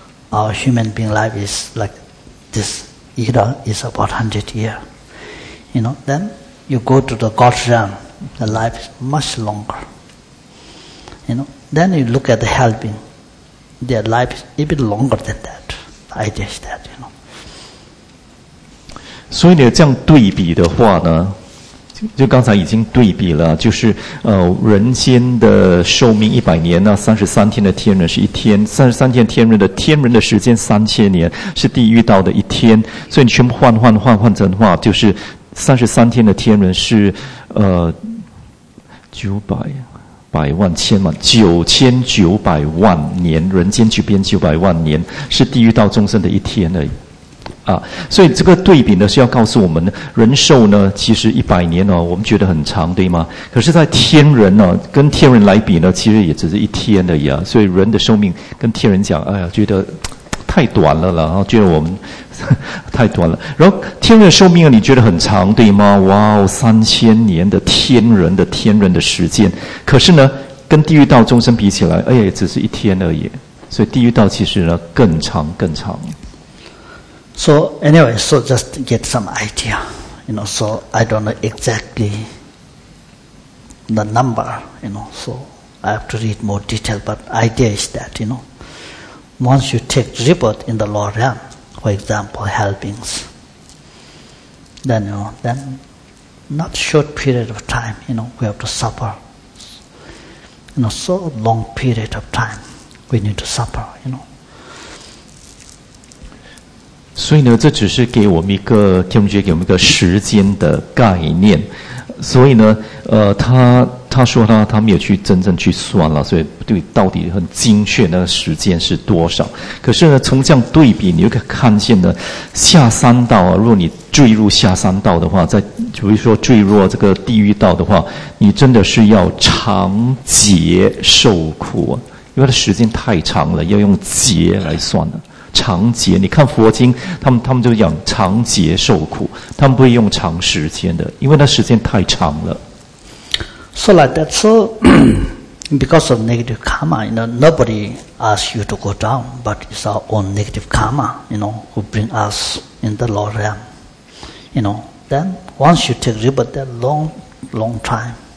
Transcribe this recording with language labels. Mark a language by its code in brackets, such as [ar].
[en] Our human being life is like this era is about 100 years. You know, then... You go to the God realm, the life is much longer. You know, then you look at the helping, their life is even longer than that. The idea is that, you know. [zh] 所以呢，这样对比的话呢，就刚才已经对比了，就是人间的寿命一百年呢，三十三天的天人是一天，三十三天天人的天人的时间三千年是地狱道的一天，所以你全部换成话就是。三十三天的天人是9,900,000年，人间就变900万年，是地狱道众生的一天而已啊。所以这个对比呢，是要告诉我们，人寿呢，其实100年呢、哦，我们觉得很长，对吗？可是，在天人呢、啊，跟天人来比呢，其实也只是一天而已啊。所以人的寿命跟天人讲，哎呀，觉得太短了啦，然后觉得我们。太短了，然后天人寿命你觉得很长对吗？哇哦，三千年的天人的时间，可是呢跟地狱道众生比起来，哎呀，只是一天而已，所以地狱道其实呢更长。 [en] So anyway, so just get some idea, you know, so I don't know exactly the number, you know, so I have to read more detail, but idea is that, you know, once you take rebirth in the lower realmFor example, helpings. Then, you know, then not short period of time, you know, we have to suffer. You know, so long period of time, we need to suffer, you know. [zh] 所以呢，这只是给我们一个天主教给我们一个时间的概念。所以呢，他他说他没有去真正去算了，所以对到底很精确那个时间是多少。可是呢，从这样对比，你就可以看见呢，下三道啊，如果你坠入下三道的话，在比如说坠入这个地狱道的话，你真的是要长劫受苦，因为它时间太长了，要用劫来算了。长劫，你看佛经，他们就讲长劫受苦，他们不会用长时间的，因为那时间太长了。 [en] So like that, so because of negative karma, you know, nobody asks you to go down, but it's our own negative karma, you know, who bring us in the lower realm, you know. Then once you take rebirth, that long time.